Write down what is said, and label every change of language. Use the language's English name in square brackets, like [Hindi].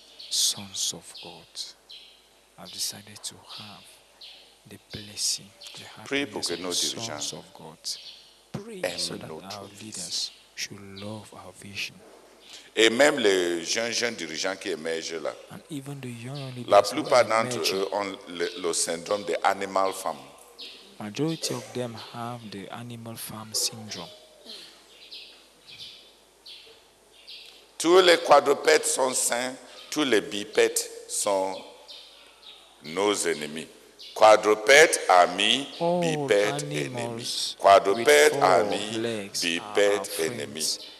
[English] Sons of God. I've decided to have the blessing. [French] Pray pour que nos dirigeants [English] aiment notre leaders should love our vision. [French] Et même les jeunes dirigeants qui émergent là, [English] and even the young [French] la plupart d'entre eux ont le syndrome de animal farm. [English] Majority of them have the animal farm syndrome. [French] Tous les quadrupèdes sont sains, tous les bipèdes sont nos ennemis. Quadrupèdes amis, bipèdes ennemis. Quadrupèdes amis, bipèdes ennemis.